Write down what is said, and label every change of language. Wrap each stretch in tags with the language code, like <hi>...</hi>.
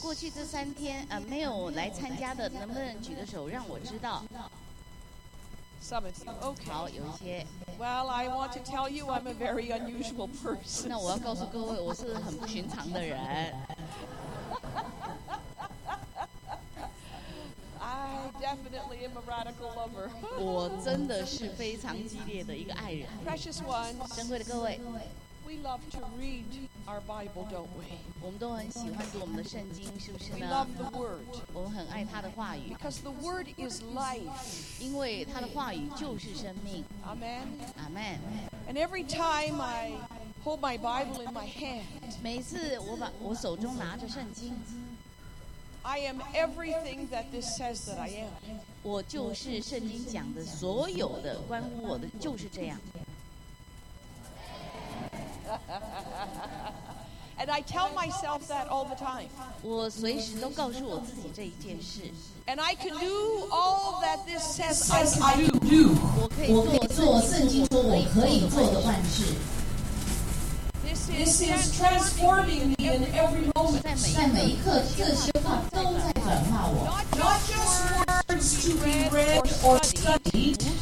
<zh>过去这三天啊，没有来参加的，能不能举个手让我知道？</zh> <en>Some of you. Okay.</en> <zh>好，有一些。</zh> <en>Well, I want to tell you, I'm a very unusual person.</en> <zh>那我要告诉各位，我是很不寻常的人。</zh> <en>I definitely am a radical lover.</en> <zh>我真的是非常激烈的一个爱人。</zh> <en>Precious ones.</en> <zh>珍贵的各位。</zh> <en>We love to read our Bible, don't we?</en> <zh>我们都很喜欢读我们的圣经，是不是呢？</zh> <en>We love the Word.</en> <zh>我们很爱他的话语。</zh> <en>Because the Word is life.</en> <zh>因为他的话语就是生命。</zh> <en>Amen. Amen. And every time I hold my Bible in my hand,</en> <zh>每次我手中拿着圣经，</zh> <en>I am everything that this says that I am.</en> <zh>我就是圣经讲的所有的关乎我的就是这样。</zh> <en>And I tell myself that all the time.</en> <zh>我随时都告诉我自己这一件事。</zh> <en>And I can do all that this says I can do.</en> <zh>我可以做圣经说我可以做的万事。</zh> <en>This is transforming me in every moment.</en> <zh>在每一刻，这些话都在转化我。</zh> <en>Not just words to be read or studied.</en>